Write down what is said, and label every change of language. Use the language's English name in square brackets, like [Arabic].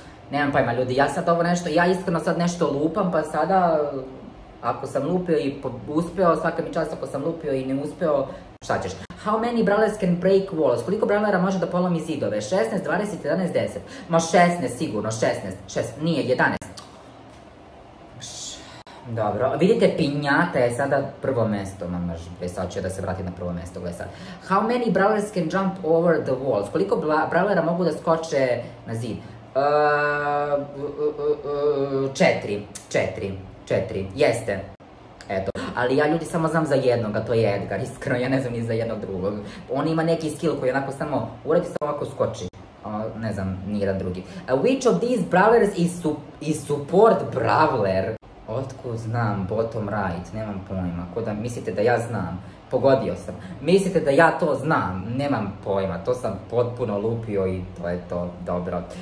[Serbian] Nemam pojma ljudi, ja sad ovo nešto, ja iskreno sad nešto lupam, pa sada ako sam lupio i uspeo, svaka mi čast ako sam lupio i ne uspeo, šta ćeš? [English] How many brawlers can break walls? [Serbian] Koliko brawlera može da polomi zidove? 16, 20, 11, 10. Ma 16, sigurno, 16. 16, nije, 11. Dobro, vidite, pinjata je sada prvo mesto, mama, sad ću da se vratim na prvo mesto, gledaj sad. [English] How many brawlers can jump over the walls? [Serbian] Koliko brawlera mogu da skoče na zid? 4, jeste. Eto, ali ja ljudi samo znam za jednog, a to je Edgar, iskreno, ja ne znam ni za jednog drugog. On ima neki skill koji onako samo uradi, samo ovako skoči. Ne znam, ni jedan drugi. [English] Which of these brawlers is support brawler? [Serbian] Otkud znam, [English] bottom right, [Serbian] nemam pojma. Ko da mislite da ja znam? Pogodio sam. Mislite da ja to znam? Nemam pojma, to sam potpuno lupio i to je to, dobro.